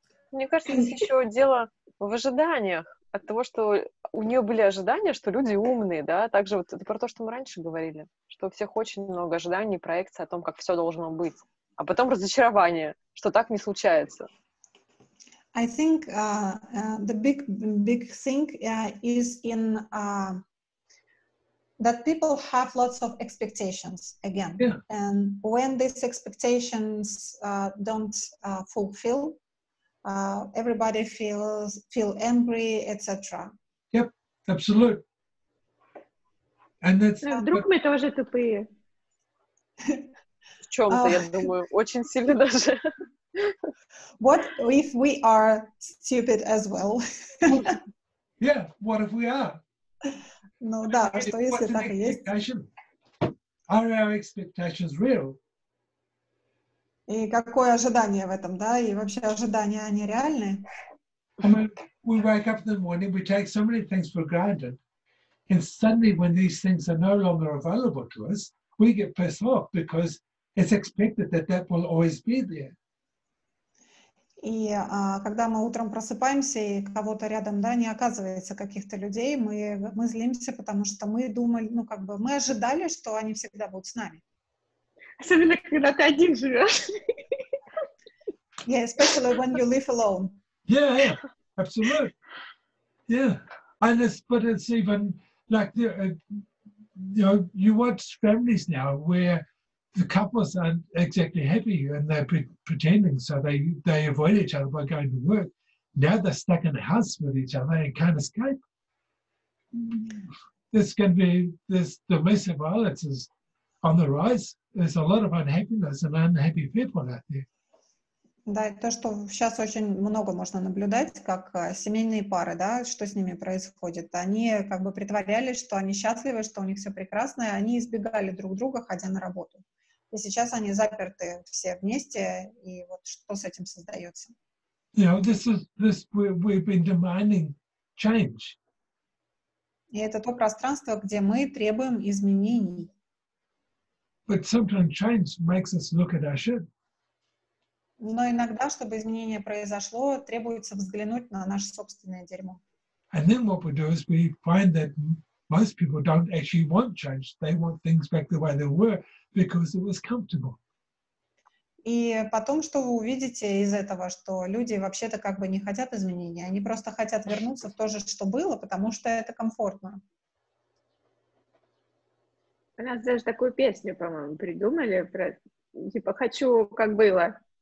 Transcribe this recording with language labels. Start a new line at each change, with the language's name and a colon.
Russian: Мне кажется, здесь еще дело в ожиданиях. От того, что у нее были ожидания, что люди умные, да, также вот это про то, что мы раньше говорили, что у всех очень много ожиданий, проекций о том, как все должно быть. А потом разочарование, что так не случается.
English: I think the big thing is in that people have lots of expectations again. Yeah. And when these expectations don't fulfill, everybody feel angry, etc. Yep, absolutely. And that's.
Russian: А вдруг мы тоже тупые? В чём-то, я думаю, очень сильно даже.
English: What if we are stupid as well? Yeah, what if we are?
Russian: Ну да, что если так и есть?
English: Are our expectations real?
Russian: И какое ожидание в этом, да? И вообще ожидания, они реальны?
English: I mean, we wake up in the morning, we take so many things for granted, and suddenly when these things are no longer available to us, we get pissed off because it's expected that that will always be there.
Russian: И когда мы утром просыпаемся, и кого-то рядом, да, не оказывается каких-то людей, мы злимся, потому что мы думали, ну, как бы, мы ожидали, что они всегда будут с нами. Особенно, когда ты один живешь.
English: Yeah, especially when you live alone. Yeah, yeah, absolutely. Yeah, and it's even like, the, you know, you watch families now where the couples aren't exactly happy and they're pretending, so they avoid each other by going to work. Now they're stuck in the house with each other and can't escape. This can be, this domestic violence is on the rise. There's a lot of unhappiness and unhappy people out there.
Russian: Да, то, что сейчас очень много можно наблюдать, как семейные пары, да, что с ними происходит. Они как бы притворялись, что они счастливы, что у них все прекрасно, и они избегали друг друга, ходя на работу. И сейчас они заперты все вместе, и вот что с этим создается.
English: You know, this we've been demanding change.
Russian: И это то пространство, где мы требуем изменений.
English: But sometimes change makes us look at our shit.
Russian: Но иногда, чтобы изменение произошло, требуется взглянуть на наше собственное дерьмо.
English: And then what we do is we find that most people don't actually want change. They want things back the way they were because it was comfortable.
Russian: И потом, что вы увидите из этого, что люди вообще-то как бы не хотят изменения, они просто хотят вернуться в то же, что было, потому что это комфортно. У нас даже такую песню, по-моему, придумали про типа «Хочу, как было».